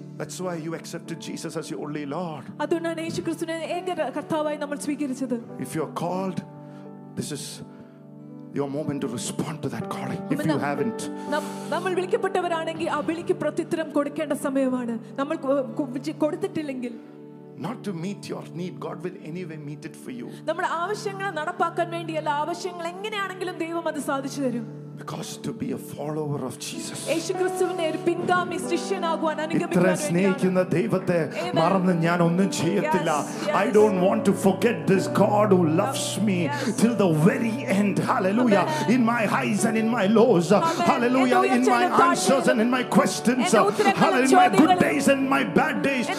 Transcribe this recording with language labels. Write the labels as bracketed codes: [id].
[en] That's why you accepted Jesus as your only Lord. [ml] അതുകൊണ്ടാണ് യേശുക്രിസ്തുവിനെ ഏക കർത്താവായി നമ്മൾ സ്വീകരിച്ചത്. [en] If you are called, this is your moment to respond to that calling. If you haven't, [ml] നമ്മൾ വിളിക്കപ്പെട്ടവരാണെങ്കിൽ ആ വിളിക്ക് പ്രതിഉത്തരം കൊടുക്കേണ്ട സമയമാണ്. നമ്മൾ കൊടുത്തിട്ടില്ലെങ്കിൽ, [en] not to meet your need, God will anyway meet it for you. [ml] നമ്മുടെ ആവശ്യങ്ങൾ നടപ്പാക്കാൻ വേണ്ടി എല്ലാ ആവശ്യങ്ങൾ എങ്ങനെയാണെങ്കിലും ദൈവം അത് സാധിച്ചു തരും. [en] Because to be a follower of Jesus, [ml] യേശുക്രിസ്തുവിനെ ഒരു പിൻഗാമി ശിഷ്യനാകുവാൻ അനുഗമിക്കുവാൻ ഇത്ര സ്നേഹിക്കുന്ന ദൈവത്തെ മറന്ന് ഞാൻ ഒന്നും ചെയ്യത്തില്ല. [en] I don't want to forget this God who loves me, yes, till the very end. Hallelujah. Amen. In my highs and in my lows. Amen. Hallelujah. In my answers and in my questions. Hallelujah. In my good days and my bad days.